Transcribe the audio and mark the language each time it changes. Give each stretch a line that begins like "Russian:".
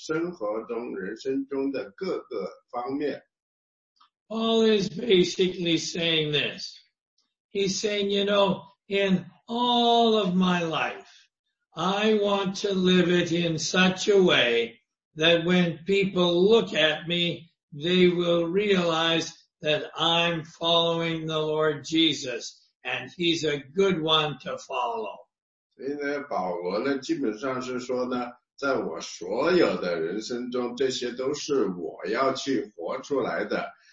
Chinese: 所以呢，那个4乘8呢，代表了你生活中、人生中的各个方面。
English: Paul is basically saying this. He's saying, you know, in all of my life, I want to live it in such a way that when people look at me, they will realize that I'm following the Lord Jesus, and he's a good one to follow.
Chinese: 所以呢，保罗呢，基本上是说呢，在我所有的人生中，这些都是我要去活出来的。